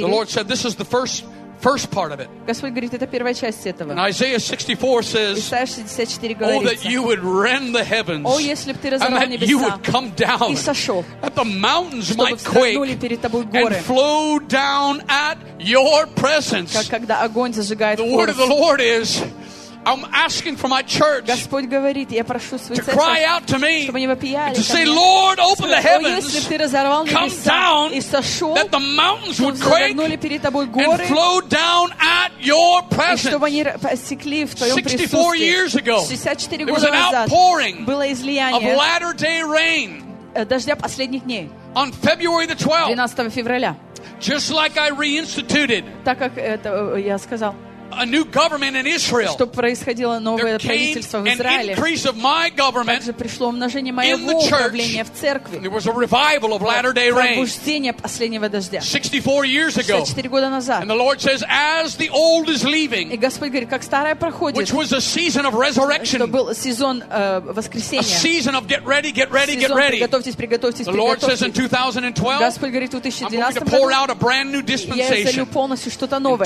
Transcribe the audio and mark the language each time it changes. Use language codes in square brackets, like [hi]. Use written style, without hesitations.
[en] The Lord said, "This is the first part of it." [ru] Господь говорит, это первая часть этого. [en] And Isaiah 64 says, [ru] Исайя 64 говорится, [en] "Oh, that you would rend the heavens! [ru] О, если бы ты разорвал небеса! [en] And that you would come down! [ru] И сошел! [en] That the mountains might quake! [ru] Перед тобой горы! [en] And flow down at your presence!" [ru] Как когда огонь зажигает. [en] The word of the Lord is. I'm asking for my church [ru] Господь говорит, я прошу свою [en] to cry out to me to say, Lord, open the heavens, come down, that the mountains would quake and flow down at your presence. 64 years ago, there was an outpouring of latter-day rain on February the 12th, just like I reinstituted. [ru] Так как это я сказал. [en] a new government in Israel. [ru] Что происходило новое правительство в Израиле. [en] An increase of my government. [ru] Также пришло умножение моего управления в церкви. [en] There was a revival of Latter-day Rain. [ru] Пробуждение последнего дождя. [en] 64 years ago. [ru] 64 года назад. [en] And the Lord says, as the old is leaving. [ru] И Господь говорит, как старое проходит. [en] Which was a season of resurrection. [ru] Это был сезон воскресения. [en] A season of get ready, get ready, get ready. [ru] Приготовьтесь, приготовьтесь. [en] The Lord says in 2012. [ru] Господь говорит в 2012 году. [en] I'm going to pour out a brand new dispensation. [ru] Я излью полностью что-то новое.